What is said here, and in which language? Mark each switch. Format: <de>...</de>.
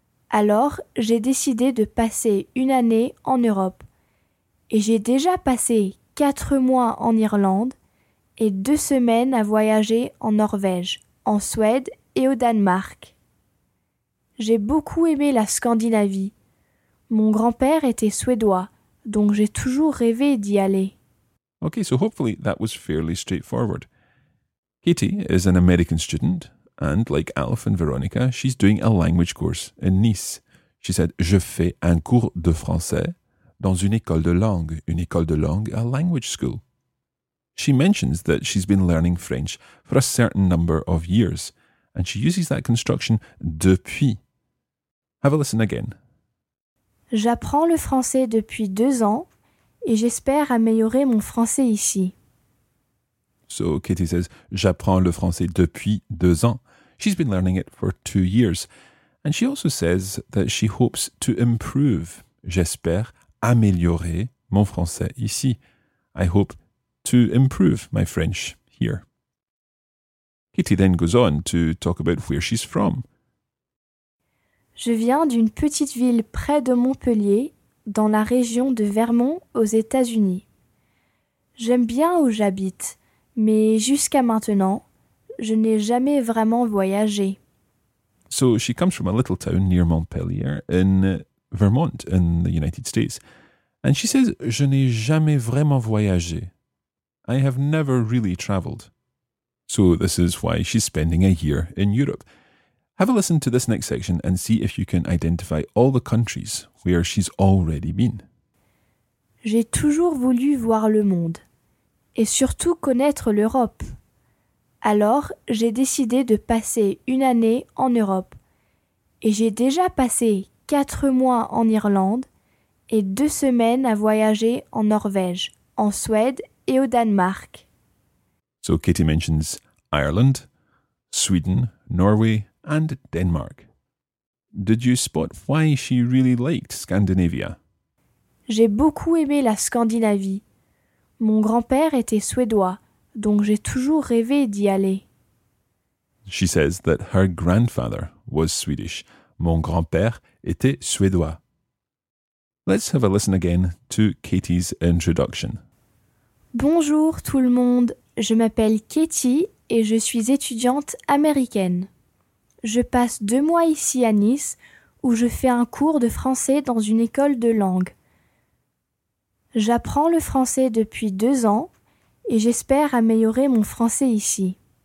<fr>Alors, j'ai décidé de passer 1 année en Europe, et j'ai déjà passé 4 mois en Irlande, et 2 semaines à voyager en Norvège, en Suède et au Danemark. J'ai beaucoup aimé la Scandinavie. Mon grand-père était suédois, donc j'ai toujours rêvé d'y aller.</fr> <en>Okay, so hopefully that was fairly straightforward. Katie is an American student, and like Alf and Veronica, she's doing a language course in Nice. She said,</en> <fr>je fais un cours de français dans une école de langue. Une école de langue,</fr> <en>a language school. She mentions that she's been learning French for a certain number of years, and she uses that construction depuis. Have a listen again.</en> <fr>J'apprends le français depuis 2 ans, et j'espère améliorer mon français ici.</fr> <en>So Katie says,</en> <fr>j'apprends le français depuis 2 ans.</fr> <en>She's been learning it for 2 years. And she also says that she hopes to improve.</en> <fr>J'espère améliorer mon français ici.</fr> <en>I hope to improve my French here. Katie then goes on to talk about where she's from.</en> <fr>Je viens d'une petite ville près de Montpellier, dans la région de Vermont, aux États-Unis. J'aime bien où j'habite, mais jusqu'à maintenant, je n'ai jamais vraiment voyagé.</fr> <en>So she comes from a little town near Montpellier in Vermont in the United States. And she says,</en> <fr>je n'ai jamais vraiment voyagé.</fr> <en>I have never really traveled. So this is why she's spending a year in Europe. Have a listen to this next section and see if you can identify all the countries where she's already been.</en> <fr>J'ai toujours voulu voir le monde et surtout connaître l'Europe. Alors, j'ai décidé de passer une année en Europe. Et j'ai déjà passé 4 mois en Irlande et 2 semaines à voyager en Norvège, en Suède et au Danemark.</fr> <en>So Katie mentions Ireland, Sweden, Norway and Denmark. Did you spot why she really liked Scandinavia?</en> <fr>J'ai beaucoup aimé la Scandinavie. Mon grand-père était suédois. Donc j'ai toujours rêvé d'y aller.</fr> <en>She says that her grandfather was Swedish.</en> <fr>Mon grand-père était suédois.</fr> <en>Let's have a listen again to Katie's introduction.</en> <fr>Bonjour tout le monde. Je m'appelle Katie et je suis étudiante américaine. Je passe 2 mois ici à Nice où je fais un cours de français dans une école de langue. J'apprends le français depuis 2 ans. Et j'espère améliorer mon français ici.</fr>